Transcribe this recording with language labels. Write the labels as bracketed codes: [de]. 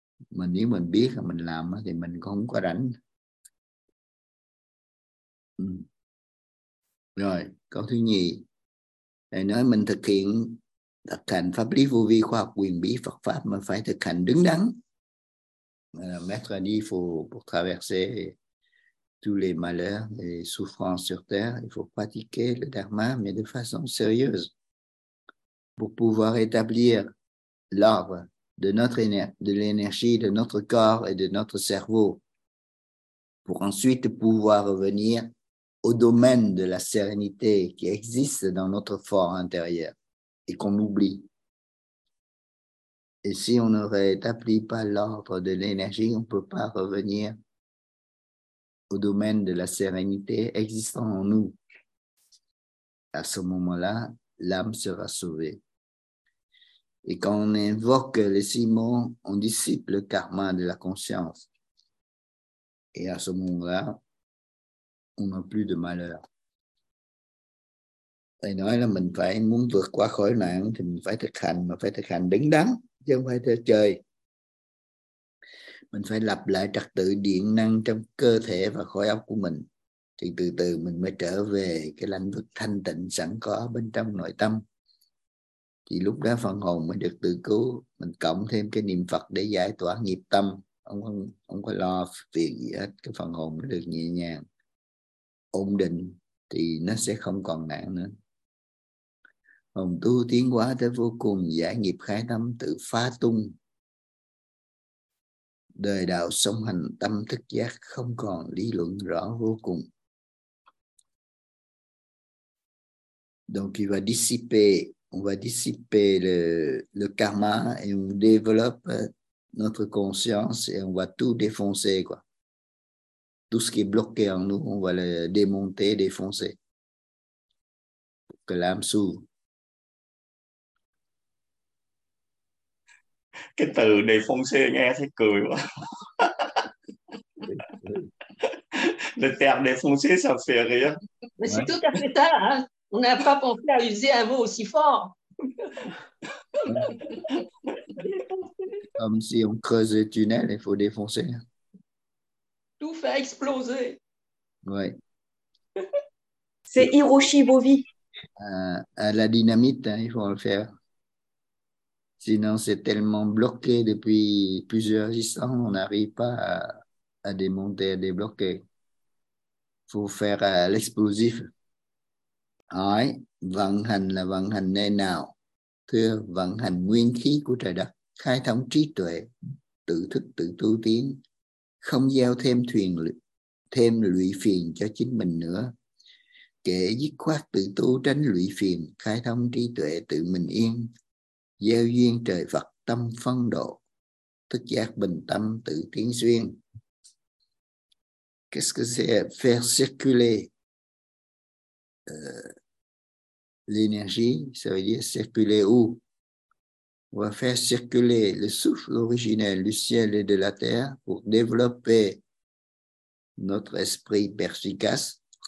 [vi] Mà nếu mình biết là mình làm thì mình cũng không có rảnh. Rồi, câu thứ nhì. Thầy nói mình thực hành pháp lý vô vi khoa học quyền bí Phật pháp mà phải thực hành đứng đắn. [fr] Mettre à niveau pour traverser tous les malheurs et souffrances sur terre, il faut pratiquer le dharma mais de façon sérieuse pour pouvoir établir l'ordre de l'énergie de notre corps et de notre cerveau, pour ensuite pouvoir revenir au domaine de la sérénité qui existe dans notre fort intérieur et qu'on oublie. Et si on ne rétablit pas l'ordre de l'énergie, on ne peut pas revenir au domaine de la sérénité existant en nous. À ce moment-là, l'âme sera sauvée. Et quand on invoque les six mots, on dissipe le karma de la conscience. Et à ce moment-là, on n'a plus de malheur. [vi] Thầy nói là mình phải muốn vượt qua khỏi nạn thì mình phải thực hành, mà phải thực hành đứng đắn, chứ không phải theo trời. Mình phải lập lại trật tự điện năng trong cơ thể và khối óc của mình. Thì từ từ mình mới trở về cái lãnh vực thanh tịnh sẵn có bên trong nội tâm. Thì lúc đó phần hồn mới được tự cứu. Mình cộng thêm cái niệm Phật để giải tỏa nghiệp tâm. Không có lo việc gì hết. Cái phần hồn nó được nhẹ nhàng, ổn định. Thì nó sẽ không còn nạn nữa. Hồn tu tiến hóa tới vô cùng, giải nghiệp khai tâm tự phá tung. Đời đạo song hành tâm thức giác, không còn lý luận rõ vô cùng. [fr] Donc il va dissiper, on va dissiper le karma et on développe notre conscience et on va tout défoncer quoi. Tout ce qui est bloqué en nous, on va le démonter, défoncer. Pour que l'âme s'ouvre. [vi] Cái từ défoncer nghe thấy cười quá. [fr] Le terme défoncer ça fait rire. Mais c'est tout à fait ça. On n'a pas pensé à user un mot aussi fort. Comme si on creuse le tunnel, il faut défoncer. Tout fait exploser. Oui. C'est Hiroshi Bovi. À la dynamite, hein, il faut le faire. Sinon, c'est tellement bloqué depuis plusieurs instants, on n'arrive pas à démonter, à débloquer. Il faut faire l'explosif. [vi] Hỏi, vận hành là vận hành nơi nào? Thưa, vận hành nguyên khí của trời đất, khai thông trí tuệ, tự thức, tự tu tiến, không gieo thêm lụy phiền cho chính mình nữa. Kể dứt khoát tự tu tránh lụy phiền, khai thông trí tuệ, tự mình yên, gieo duyên trời Phật tâm phân độ, thức giác bình tâm tự tiến duyên. [fr] Qu'est-ce que c'est faire circuler? L'énergie, ça veut dire circuler où? On va faire circuler le souffle originel du ciel et de la terre pour développer notre esprit perspicace.